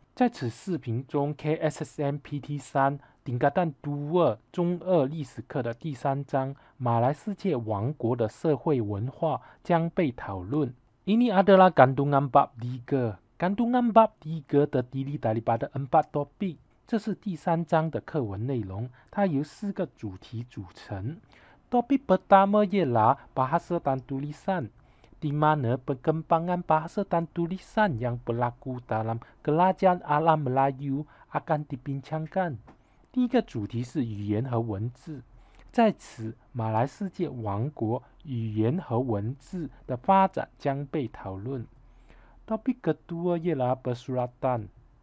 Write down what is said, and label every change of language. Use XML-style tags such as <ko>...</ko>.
<zh>在此视频中, KSSM PT 3 tingkatan 2 中二历史课的第三章 马来世界王国的社会文化 将被讨论.</zh> <ms>Ini adalah kandungan bab 3. Kandungan bab 3 terdiri daripada 4 topik.</ms> <zh>这是第三章的课文内容, 它由4个主题组成.</zh> <ms>Topik pertama ialah bahasa dan tulisan, di mana perkembangan bahasa dan tulisan yang berlaku dalam kerajaan alam Melayu akan dibincangkan.</ms> <zh>第一个主题是语言和文字.在此, 马来世界王国语言和文字的发展将被讨论.</zh> <ms>Topik kedua ialah persuratan.</ms>